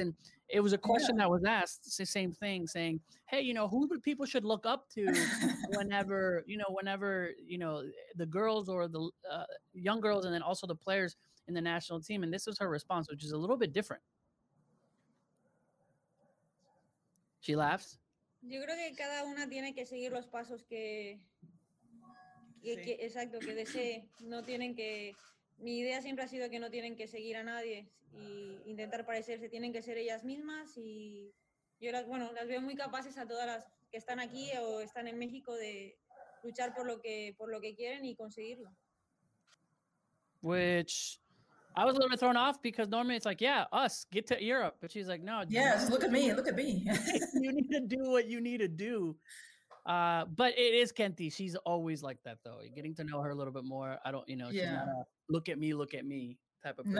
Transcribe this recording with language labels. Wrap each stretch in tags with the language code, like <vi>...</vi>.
<en>And it was a question that was asked, the same thing, saying, hey, you know, who would people should look up to whenever, the girls or the young girls and then also the players in the national team. And this was her response, which is a little bit different. She laughs.</en> <es>Yo creo que cada una tiene que seguir los pasos que... Que, exacto, que desee, no tienen que, mi idea siempre ha sido que no tienen que seguir a nadie e intentar parecerse, tienen que ser ellas mismas y yo las veo muy capaces a todas las que están aquí o están en México de luchar por lo que quieren y conseguirlo.</es> <en>Which, I was a little bit thrown off because normally it's like, yeah, us, get to Europe. But she's like, no. Yes, look at me. You need to do what you need to do. But it is Kenty. She's always like that, though. Getting to know her a little bit more, she's not a look at me type of person.</en>